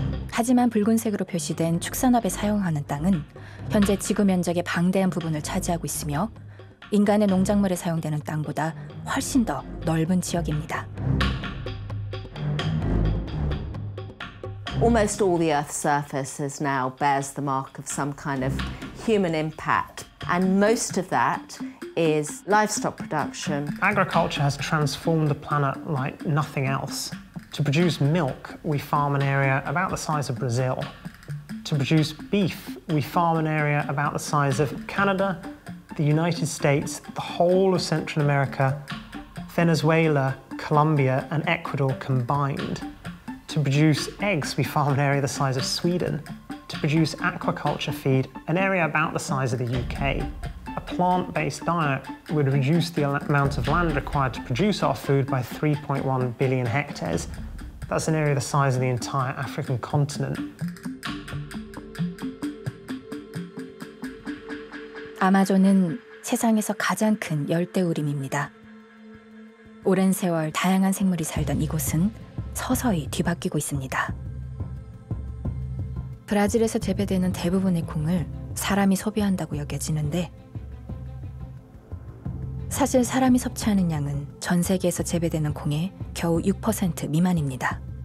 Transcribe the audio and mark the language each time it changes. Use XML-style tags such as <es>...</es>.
<ko>하지만 붉은색으로 표시된 축산업에 사용하는 땅은 현재 지구 면적의 방대한 부분을 차지하고 있으며 인간의 농작물에 사용되는 땅보다 훨씬 더 넓은 지역입니다.</ko> <en>Almost all the Earth's surface is now bears the mark of some kind of human impact. And most of that is livestock production. Agriculture has transformed the planet like nothing else. To produce milk, we farm an area about the size of Brazil. To produce beef, we farm an area about the size of Canada, the United States, the whole of Central America, Venezuela, Colombia, and Ecuador combined. To produce eggs, we farm an area the size of Sweden. To produce aquaculture feed, an area about the size of the UK. A plant-based diet would reduce the amount of land required to produce our food by 3.1 billion hectares. That's an area the size of the entire African continent.</en> <ko>아마존은 세상에서 가장 큰 열대우림입니다. 오랜 세월 다양한 생물이 살던 이곳은 서서히 뒤바뀌고 있습니다. 브라질에서 재배되는 대부분의 콩을 사람이 소비한다고 여겨지는데 사실 사람이 섭취하는 양은 전 세계에서 재배되는 콩의 겨우 6% 미만입니다.</ko>